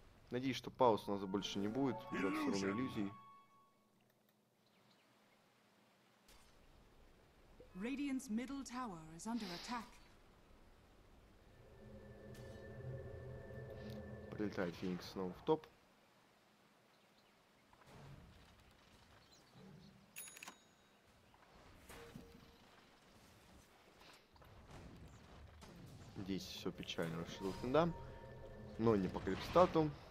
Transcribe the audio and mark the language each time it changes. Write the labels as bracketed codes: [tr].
[ru] Надеюсь, что пауз у нас больше не будет, берет все равно иллюзии. [en] Radiant's middle tower is under attack. [ru] Прилетает Феникс снова в топ. Здесь все печально расшел финда. Но не по крипстату.